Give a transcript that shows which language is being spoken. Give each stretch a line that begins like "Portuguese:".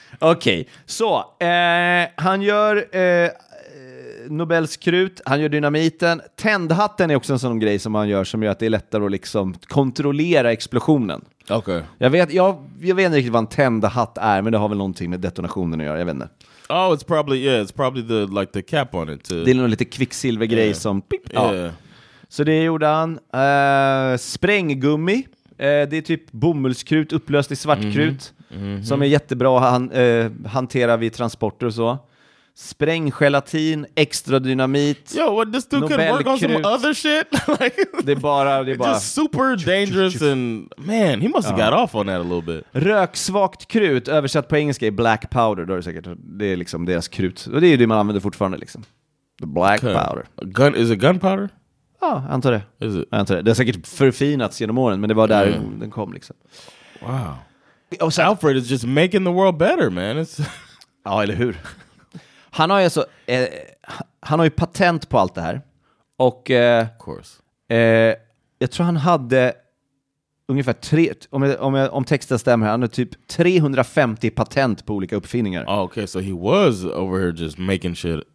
Swedish: Okej, okay. Så. Han gör Nobels krut. Han gör dynamiten. Tändhatten är också en sån grej som han gör som gör att det är lättare att liksom kontrollera explosionen. Okej. Okay. Jag vet inte riktigt vad en tändhatt är, men det har väl någonting med detonationen att göra. Jag vet inte.
English: Oh, it's probably, yeah, it's probably the, like, the cap on it, too.
Swedish: Det är nog lite kvicksilvergrej som... Pip, yeah. Ja. Så det gjorde han. Spränggummi. Det är typ bomullskrut upplöst i svartkrut. Mm-hmm. Som är jättebra att hantera vid transporter och så. Spränggelatin, extra dynamit.
English: Yo, what, this dude could work on some other shit?
Swedish: det är bara...
English: Just super dangerous and... Man, he must have got off on that a little bit.
Swedish: Röksvagt krut, översatt på engelska, är black powder. Då är det säkert, det är liksom deras krut. Och det är ju det man använder fortfarande, liksom.
English: The black powder. Gun, is it gunpowder?
Swedish: Ja, antar det.
English: Is it?
Swedish: Antar det. Det har säkert förfinats genom åren, men det var där den kom liksom. Wow. Och så
English: Alfred is just making the world better, man. It's...
Swedish: Ja, eller hur? Han har ju alltså, han har ju patent på allt det här. Och
English: of course.
Swedish: Jag tror han hade ungefär tre, om texten stämmer här, han hade typ 350 patent på olika uppfinningar.
English: Oh, okay, so he was over here just making shit.